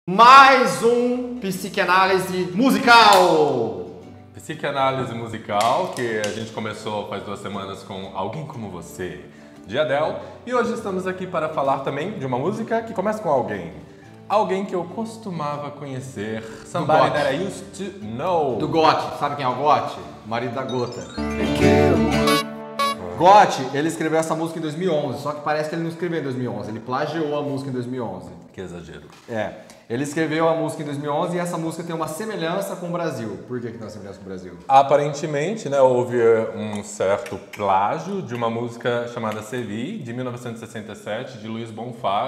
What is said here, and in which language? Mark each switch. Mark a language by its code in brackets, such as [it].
[pt] Mais um psicanálise musical! Psicanálise musical, que a gente começou faz duas semanas com Alguém Como Você, de Adele. E hoje estamos aqui para falar também de uma música que começa com alguém. Alguém que eu costumava conhecer. [en] Somebody that I used to know. [pt] Do Gotti. Sabe quem é o Gotti? Marido da Gota. Gotti, ele escreveu essa música em 2011, só que parece que ele não escreveu em 2011. Ele plagiou a música em 2011. Que exagero. É. Ele escreveu a música em 2011 e essa música tem uma semelhança com o Brasil. Por que tem uma semelhança com o Brasil? Aparentemente, né, houve um certo plágio de uma música chamada Celi, de 1967, de Luiz Bonfá.